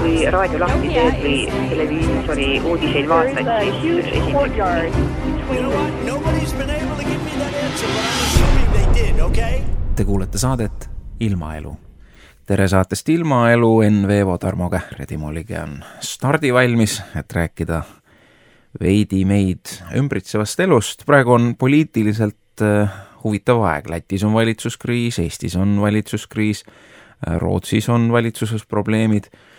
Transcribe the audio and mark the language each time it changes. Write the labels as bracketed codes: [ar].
[et] Kui raadio lahti teed või televiisori uudiseid vaatad, siis [en] Nobody's been able to give me that answer, but I'm assuming they did, okay? [et] Te kuulete saadet Ilmaelu. Tere saatest Ilmaelu, NVEVO Tarmo Kähre, Timo Ligi on stardivalmis, et rääkida veidi meid ümbritsevast elust. Praegu on poliitiliselt huvitav aeg. Lätis on valitsuskriis, Eestis on valitsuskriis, Rootsis on valitsuses probleemid.